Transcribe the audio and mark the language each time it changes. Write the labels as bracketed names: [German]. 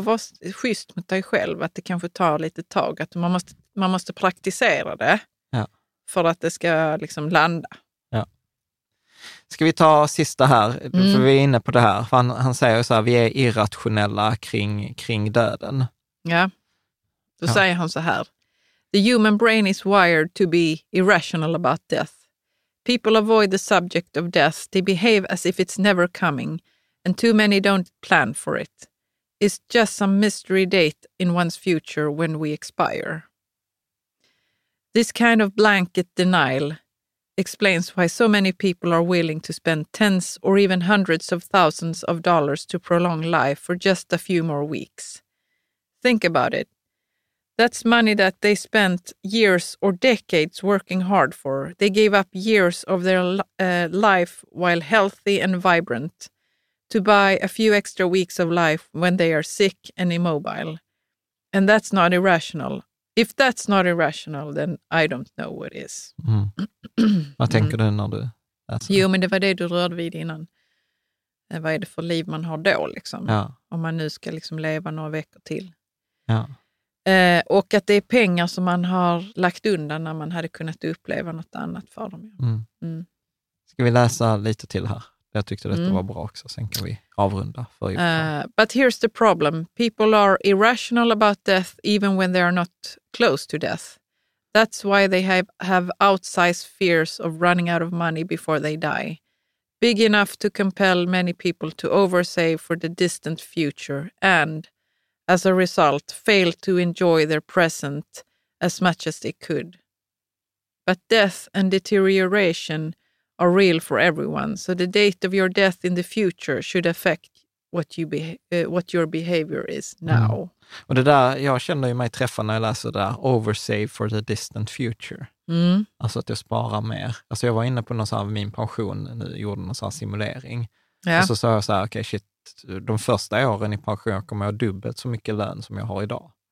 [Swedish] Var schysst mot dig själv att det kanske tar lite tag. Att man måste praktisera det för att det ska liksom landa. Ja. Ska vi ta sista här? Mm. För vi är inne på det här. Han säger så här, vi är irrationella kring döden. Ja, då säger han så här. [English] The human brain is wired to be irrational about death. People avoid the subject of death. They behave as if it's never coming. And too many don't plan for it. It's just some mystery date in one's future when we expire. This kind of blanket denial explains why so many people are willing to spend tens or even hundreds of thousands of dollars to prolong life for just a few more weeks. Think about it. That's money that they spent years or decades working hard for. They gave up years of their life while healthy and vibrant to buy a few extra weeks of life when they are sick and immobile. And that's not irrational. If that's not irrational, then I don't know what is. [Swedish] Mm. Vad tänker du när du... Jo, men det var det du rörde vid innan. Vad är det för liv man har då? Liksom? Ja. Om man nu ska liksom leva några veckor till. Ja. Och att det är pengar som man har lagt undan när man hade kunnat uppleva något annat för dem. Mm. Ska vi läsa lite till här? Jag tyckte detta var bra också. Sen kan vi avrunda. [English] But here's the problem. People are irrational about death even when they are not close to death. That's why they have outsized fears of running out of money before they die. Big enough to compel many people to oversave for the distant future and, as a result, fail to enjoy their present as much as they could. But death and deterioration are real for everyone, so the date of your death in the future should affect what your behavior is now. Mm. [Swedish] Och det där, jag känner ju mig träffad när jag läser det där, [English] oversave for the distant future. Mm. [Swedish] Alltså att jag sparar mer. Alltså jag var inne på någon sån här, min pension nu, gjorde någon sån här simulering. Ja. Och så sa jag så här, okej, shit, de första åren i pension kommer jag ha dubbelt så mycket lön som jag har idag.